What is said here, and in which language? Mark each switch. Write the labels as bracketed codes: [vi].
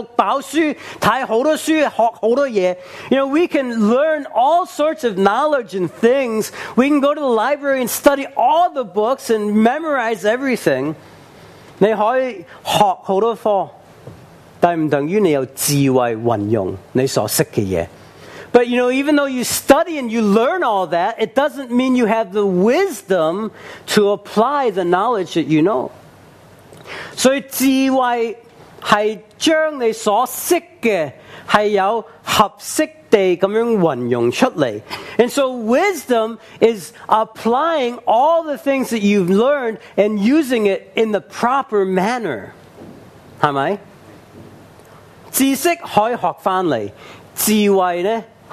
[zh] 我们可以有很多的知识,可以懂很多东西,去到图书馆,读饱书,看很多书,学很多东西。 [en] You know, we can learn all sorts of knowledge and things. We can go to the library and study all the books and memorize everything. [zh] 你可以学很多课,但不等于你有智慧运用你所识的东西。 [en] But you know, even though you study and you learn all that, it doesn't mean you have the wisdom to apply the knowledge that you know. [zh] 所以智慧是将你所识的是有合适地这样运用出来。 [en] And so wisdom is applying all the things that you've learned and using it in the proper manner. [zh] 是不是? 知识可以学回来，智慧呢?